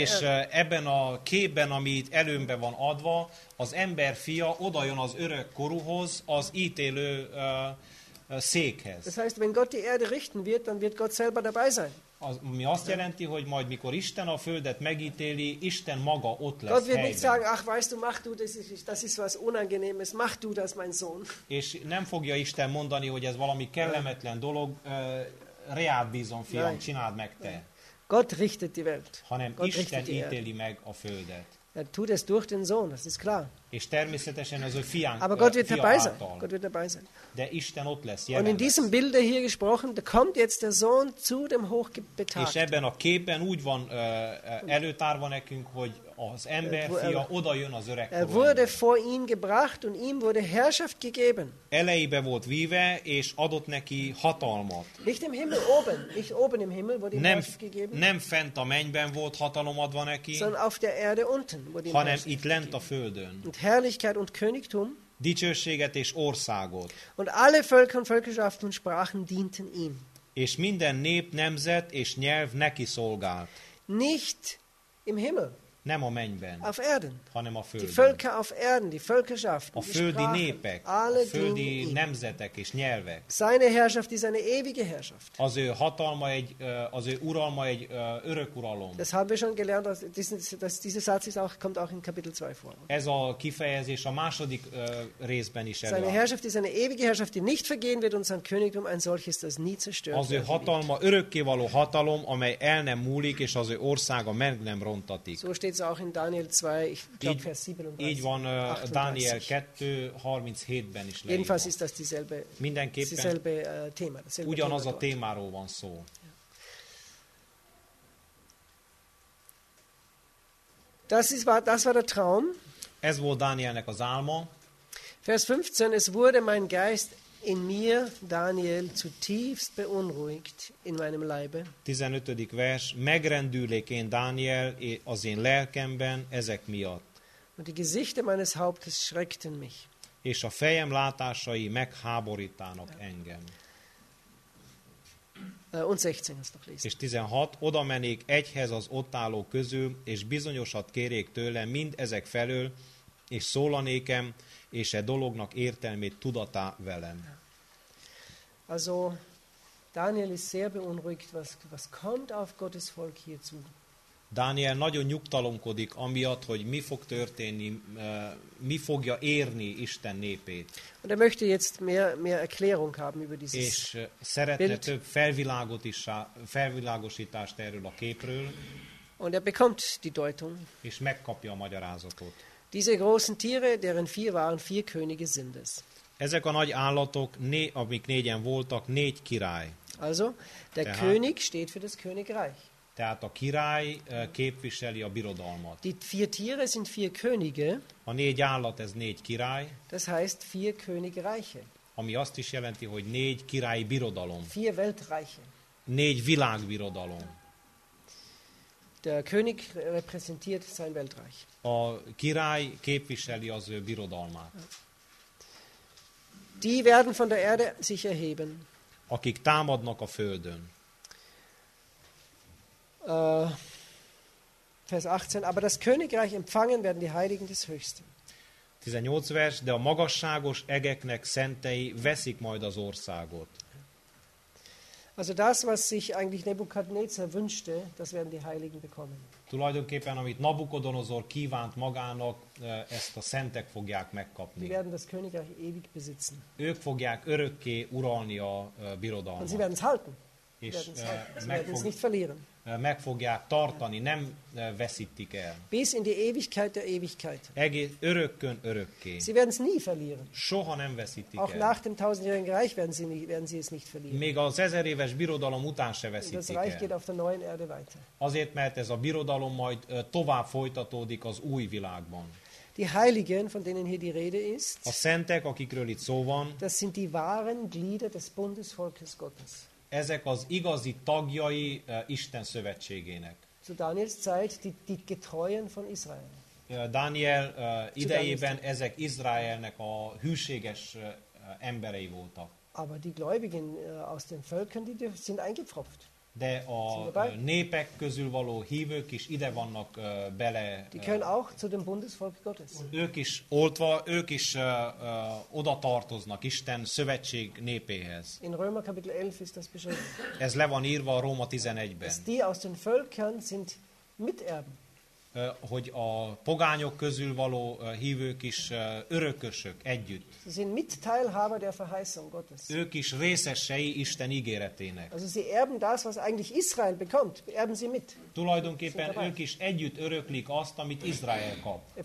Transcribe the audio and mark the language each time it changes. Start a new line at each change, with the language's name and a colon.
Hungarian: és
German: Erde.
Hungarian: Ebben a képben, ami itt előnbe van adva, az ember fia odajön az örök korúhoz, az ítélő székhez.
German: Das heißt, wenn Gott die Erde richten wird, dann wird Gott selber dabei sein.
Hungarian: Mi azt jelenti, hogy majd mikor Isten a Földet megítéli, Isten maga ott lesz helyben.
German: Gott wird nicht sagen, ach weißt du, mach du, das ist was Unangenehmes, mach du das, mein Sohn.
Hungarian: És nem fogja Isten mondani, hogy ez valami kellemetlen dolog, reád bízom, fiam, csináld meg te.
German: Gott richtet die Welt.
Hungarian: Hanem Isten ítéli meg a Földet.
German: Er tut es durch den Sohn, das ist klar.
Hungarian: És természetesen az ő fián,
German: aber Gott wird dabei sein. Gott wird dabei sein.
Hungarian: De Isten ott lesz, jelen.
German: Und in diesem Bilde hier gesprochen, da kommt jetzt der Sohn zu dem Hochbetagten.
Hungarian: És ebben a képben úgy van előtárva nekünk, hogy az ember fia oda jön az öreg.
German: Er wurde vor ihn gebracht und ihm wurde Herrschaft gegeben.
Hungarian: Elejébe volt víve, és adott neki hatalmat.
German: Nicht im Himmel oben, nicht oben im Himmel wurde ihm Herrschaft gegeben.
Hungarian: Nem fent a mennyben volt hatalom adva neki.
German: Sondern auf der Erde unten wurde ihm Herrschaft gegeben.
Hungarian: Hanem itt lent a földön.
German: Und Herrlichkeit und Königtum.
Hungarian: Dicsőséget és országot.
German: Und alle Völker und Völkerschaften und Sprachen dienten ihm.
Hungarian: És minden nép, nemzet és nyelv neki szolgált.
German: Nicht im Himmel.
Hungarian: Nem a mennyben,
German: auf Erden,
Hungarian: hanem a földön.
German: Die Völker auf Erden, die Völkerschaften,
Hungarian: a földi népek,
German: alle
Hungarian: a földi nemzetek és nyelvek.
German: Seine Herrschaft ist eine ewige Herrschaft.
Hungarian: Az ő hatalma egy, az ő uralma egy örök uralom.
German: Das haben wir schon gelernt, dass dieser Satz ist auch, kommt auch in Kapitel 2 vor.
Hungarian: Ez a kifejezés a második részben is előáll.
German: Seine Herrschaft ist eine ewige Herrschaft, die nicht vergehen wird, und sein Königtum ein solches, das nie zerstört wird.
Hungarian: Az ő hatalma örökkévaló hatalom, amely el nem múlik, és az ő országa meg nem rontatik.
German: So steht es auch in Daniel 2, ich glaube Vers 37.
Hungarian: Így van, Daniel 2, 37-ben is leírva.
German: Jedenfalls ist das dieselbe,
Hungarian: mindenképpen
German: dieselbe Thema. Dasselbe
Hungarian: ugyanaz Thema a témáról van szó.
German: Ja. Das war der Traum.
Hungarian: Ez volt Danielnek az álma.
German: Vers 15, es wurde mein Geist in mir, Daniel, zutiefst beunruhigt in meinem Leibe.
Hungarian: 15. vers, megrendülék én, Daniel, az én lelkemben ezek miatt.
German: Und die Gesichter meines Hauptes schreckten mich.
Hungarian: És a fejem látásai megháborítanak engem.
German: Und 16, ezt noch lesz.
Hungarian: És 16, oda menék egyhez az ott álló közül, és bizonyosat kérék tőle mind ezek felől, és szólanékem, és e dolognak értelmét tudatá velem.
German: Also Daniel ist sehr beunruhigt, was kommt auf Gottes Volk hierzu.
Hungarian: Daniel nagyon nyugtalankodik amiatt, hogy mi fog történni, mi fogja érni Isten népét.
German: Und möchte jetzt mehr Erklärung haben über dieses.
Hungarian: És szeretne
German: Bild.
Hungarian: Több felvilágosítást erről a képről.
German: Und bekommt die Deutung.
Hungarian: És megkapja a magyarázatot.
German: Diese großen Tiere, deren vier waren, vier Könige sind es.
Hungarian: Ezek a nagy állatok, amik négyen voltak, négy király.
German: Also, der tehát, König steht für das Königreich.
Hungarian: Tehát a király képviseli a birodalmat.
German: Die vier Tiere sind vier Könige.
Hungarian: A négy állat, ez négy király.
German: Das heißt, vier Königreiche.
Hungarian: Ami azt is jelenti, hogy négy királyi birodalom.
German: Vier Weltreiche.
Hungarian: Négy világbirodalom.
German: Der König repräsentiert sein Weltreich.
Hungarian: A király képviseli az ő birodalmát.
German: Die werden von der Erde sich erheben.
Hungarian: Akik támadnak a földön.
German: Vers 18, aber das Königreich empfangen werden die Heiligen des Höchsten.
Hungarian: 18 vers, de a magasságos egeknek szentei veszik majd az országot.
German: Also das, was sich eigentlich Nebukadnezar wünschte, das werden die Heiligen bekommen.
Hungarian: Tulajdonképpen, amit Nabukodonozor kívánt magának, ezt a szentek fogják megkapni.
German: Die werden das Königreich ewig besitzen.
Hungarian: Ők fogják örökké uralni a birodalmat.
German: Und sie werden es halten.
Hungarian: Meg fogják tartani, nem veszítik el.
German: Bis in die Ewigkeit der Ewigkeit.
Hungarian: Örökkön örökké.
German: Sie werden es nie verlieren.
Hungarian: Soha nem veszítik
German: auch
Hungarian: el.
German: Nach dem tausendjährigen Reich werden sie es nicht verlieren.
Hungarian: Még az ezer éves birodalom után se veszítik el.
German: Das Reich
Hungarian: el.
German: Geht auf der neuen Erde weiter.
Hungarian: Azért, mert ez a birodalom majd tovább folytatódik az új világban.
German: Die Heiligen, von denen hier die Rede ist,
Hungarian: a szentek, akikről itt szó van,
German: das sind die wahren Glieder des Bundesvolkes Gottes.
Hungarian: Ezek az igazi tagjai Isten szövetségének.
German: Zu Daniels Zeit die Getreuen von Israel.
Hungarian: Daniel idejében ezek Izraelnek a hűséges emberei voltak.
German: Aber die Gläubigen aus den Völkern, die sind eingepfropft.
Hungarian: De a népek közül való hívők is ide vannak bele.
German: Die können auch zu dem Bundesvolk Gottes.
Hungarian: Ők is oltva, ők is oda tartoznak Isten szövetség népéhez.
German: In Römer Kapitel 11 ist das beschrieben.
Hungarian: Ez le van írva a Róma 11-ben.
German: Die aus den Völkern sind Miterben.
Hungarian: hogy a pogányok közül való hívők is örökösök együtt.
German: Sie sind Mitteilhaber der Verheißung Gottes.
Hungarian: Ők is részesei Isten ígéretének.
German: Also sie erben das, was eigentlich Israel bekommt, erben sie mit.
Hungarian: Tulajdonképpen ők is együtt öröklik azt, amit Izrael kap.